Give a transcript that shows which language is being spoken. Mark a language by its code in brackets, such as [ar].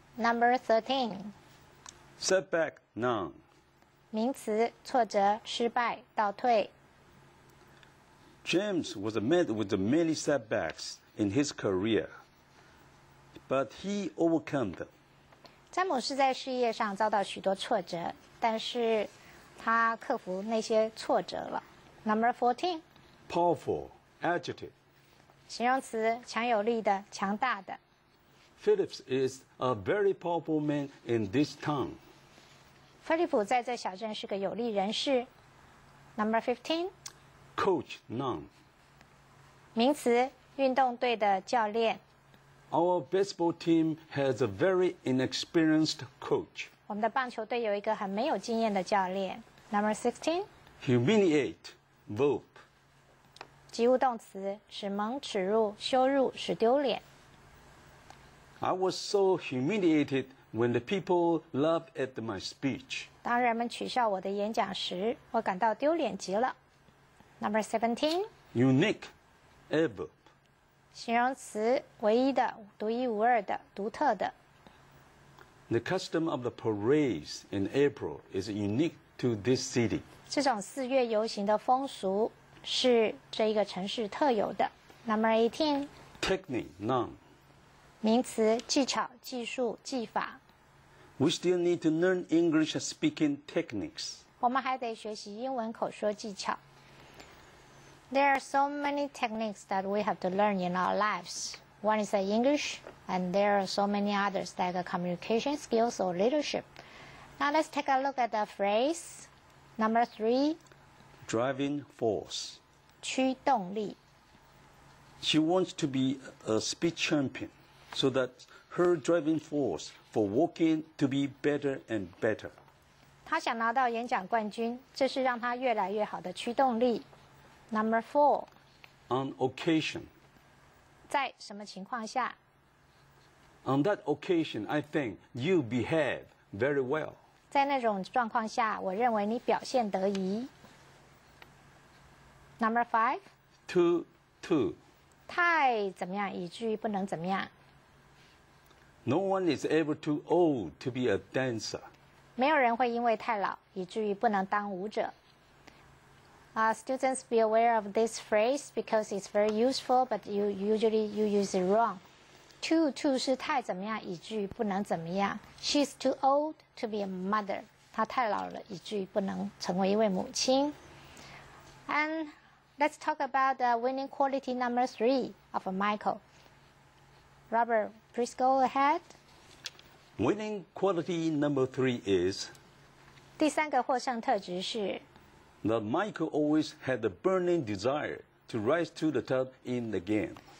[en] Number 13. Setback noun. [zh] 名词挫折失败倒退 [en] James was met with many setbacks in his career, but he overcame them. [zh] 詹姆斯在事业上遭到许多挫折，但是他克服那些挫折了。 [en] Number 14. Powerful adjective. [zh] 形容词强有力的强大的 [en] Phillips is a very powerful man in this town. [zh] 菲利普在这小镇是个有力人士 [en] Number 15 Coach noun [zh] 名词运动队的教练 [en] Our baseball team has a very inexperienced coach. [zh] 我们的棒球队有一个很没有经验的教练 [en] Number 16 Humiliate verb. [zh] 及物动词使蒙耻辱羞辱使丢脸 [en] I was so humiliated When the people laugh at my speech. [zh] 当人们取笑我的演讲时，我感到丢脸极了。 [en] Number 17. Unique adverb. [zh] 形容词，唯一的，独一无二的，独特的。 [en] The custom of the parades in April is unique to this city. [zh] 这种四月游行的风俗是这一个城市特有的。 [en] Number 18. Technique, noun. [zh] 名词，技巧、技术、技法。 [en] We still need to learn English speaking techniques. [zh] 我们还得学习英文口说技巧。 [en] There are so many techniques that we have to learn in our lives. One is English, and there are so many others like communication skills or leadership. Now let's take a look at the phrase. Number 3. Driving force. [zh] 驱动力。 [en] She wants to be a speech champion, so that her driving force for walking to be better and better. [zh] 她想拿到演讲冠军，这是让她越来越好的驱动力。 [en] Number 4. On occasion. [zh] 在什么情况下？ [en] On that occasion, I think you behave very well. [zh] 在那种状况下，我认为你表现得宜。 [en] Number 5. Too. [zh] 太怎么样，以至于不能怎么样。 [en] No one is ever too old to be a dancer. [zh] 没有人会因为太老以至于不能当舞者。 [en] Students be aware of this phrase because it's very useful, but you usually use it wrong. [zh] Too 是太怎么样以至于不能怎么样。 [en] She's too old to be a mother. [zh] 她太老了以至于不能成为一位母亲。 [en] And let's talk about the winning quality number 3 of Michael. Robert,Please go ahead. Winning quality number 3 is [zh] 第三个获胜特质是 [en] that Michael always had the burning desire to rise to the top in the game.